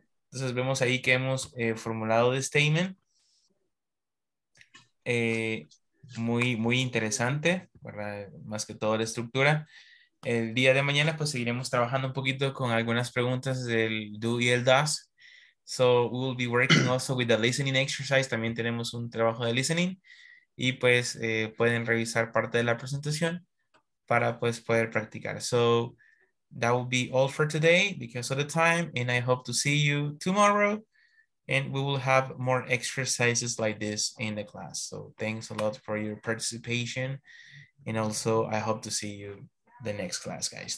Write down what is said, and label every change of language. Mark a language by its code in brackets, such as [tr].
[es] Entonces vemos ahí que hemos formulado el statement. Muy interesante, ¿verdad? Más que todo la estructura. El día de mañana pues seguiremos trabajando un poquito con algunas preguntas del do y el does. [en] So we'll be working also with the listening exercise. [es] También tenemos un trabajo de listening. Y pues pueden revisar parte de la presentación para pues poder practicar. [en] So that will be all for today because of the time, and I hope to see you tomorrow, and we will have more exercises like this in the class. So thanks a lot for your participation, and also I hope to see you the next class, guys.